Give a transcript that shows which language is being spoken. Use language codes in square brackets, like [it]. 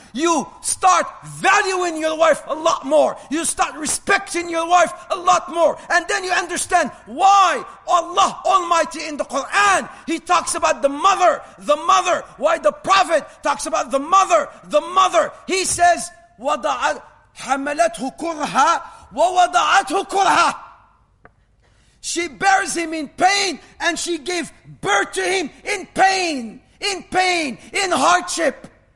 [en] You start valuing your wife a lot more. You start respecting your wife a lot more. And then you understand why Allah Almighty in the Quran, He talks about the mother. Why the Prophet talks about the mother. He says, [ar] وَضَعَتْ حَمَلَتْهُ كُرْهَا وَوَضَعَتْهُ كُرْهَا. [en] She bears him in pain and she gave birth to him in pain, in hardship.